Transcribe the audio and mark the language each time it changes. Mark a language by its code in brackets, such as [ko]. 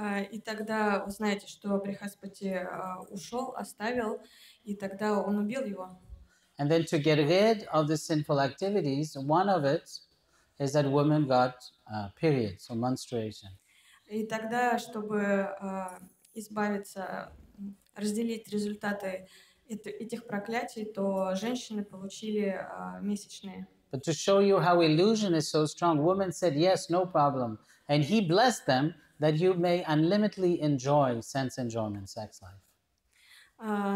[ru] И тогда вы знаете, что Брихаспати ушел, оставил, и тогда он убил его. [en] And then to get rid of the sinful activities, one of it is that women got periods or menstruation. [ru] И тогда, чтобы избавиться, разделить результаты этих проклятий, то женщины получили месячные. [en] But to show you how illusion is so strong, women said, yes, no problem. And he blessed them that you may unlimitedly enjoy sense enjoyment, sex life.